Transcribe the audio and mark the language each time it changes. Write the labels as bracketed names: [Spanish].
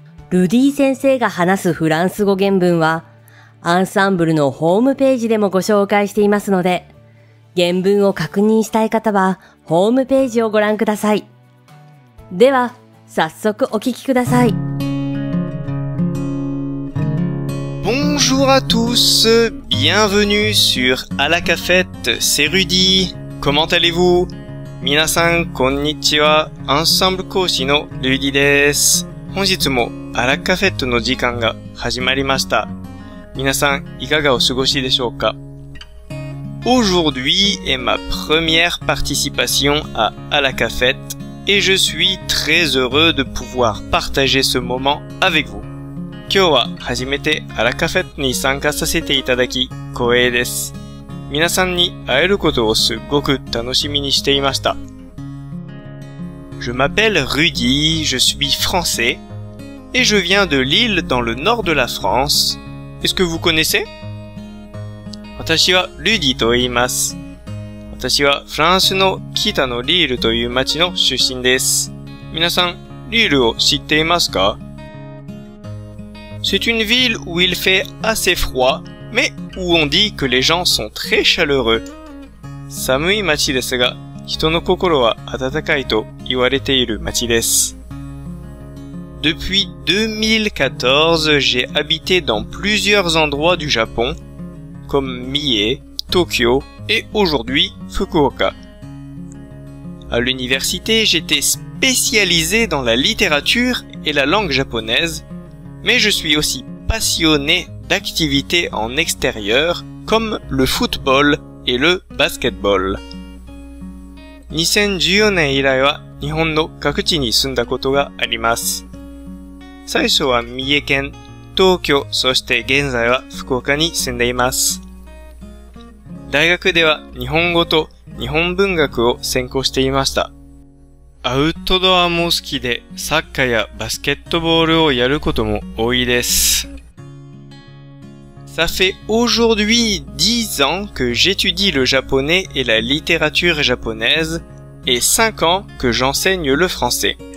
[Japanese] ルディ先生が話すフランス語原文はアンサンブルのホームページでもご紹介していますので、原文を確認したい方はホームページをご覧ください。では早速お聞きください。 [French] Bonjour à tous, bienvenue sur à la cafette, c'est Rudy. Comment allez-vous? [Japanese] 皆さんこんにちは。アンサンブル講師のルディです。本日もあらカフェットの時間が始まりました。皆さんいかがお過ごしでしょうか？ [French] Aujourd'hui est ma première participation à la cafette。 Et je suis très heureux de pouvoir partager ce moment avec vous. [Japanese] 今日は初めてアラカフェットに参加させていただき光栄です。皆さんに会えることをすごく楽しみにしていました。 [French] Je m'appelle Rudy, je suis français et je viens de Lille dans le nord de la France. Est-ce que vous connaissez? [Japanese] 私はルディと言います。私はフランスの北のリールという町の出身です。皆さん、リールを知っていますか？ [French] C'est une ville où il fait assez froid, mais où on dit que les gens sont très chaleureux. [Japanese] 寒い町ですが、人の心は温かいと言われている町です。 [French] Depuis 2014, j'ai habité dans plusieurs endroits du Japon, comme Mie, Tokyo,et aujourd'hui, Fukuoka. À l'université, j'étais spécialisé dans la littérature et la langue japonaise, mais je suis aussi passionné d'activités en extérieur comme le football et le basketball. [Japanese] 2014年以来は日本の各地に住んだことがあります。最初は三重県、東京、そして現在は福岡に住んでいます。大学では日本語と日本文学を専攻していました。アウトドアも好きでサッカーやバスケットボールをやることも多いです。 [French] Ça fait aujourd'hui 10 ans que j'étudie le japonais et la littérature japonaise et 5 ans que j'enseigne le français.